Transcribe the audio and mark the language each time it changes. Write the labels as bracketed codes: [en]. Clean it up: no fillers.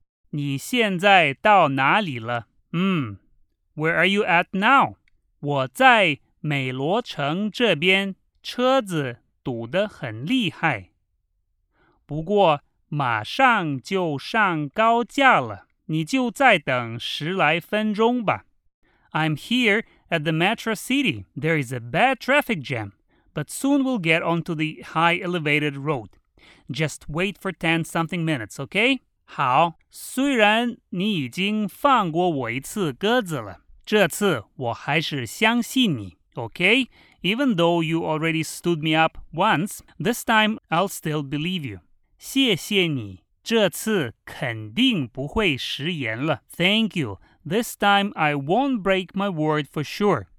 [zh] 你现在到哪里了？ [en] Where are you at now? [zh] 我在美罗城这边，车子堵得很厉害。不过马上就上高架了，你就再等十来分钟吧。 [en] I'm here at the Metro City. There is a bad traffic jam, but soon we'll get onto the high elevated road. Just wait for 10-something minutes, okay? [zh] 好，虽然你已经放过我一次鸽子了，这次我还是相信你。 [en] Okay, even though you already stood me up once, this time I'll still believe you. [zh] 谢谢你，这次肯定不会食言了。 [en] Thank you. This time I won't break my word for sure.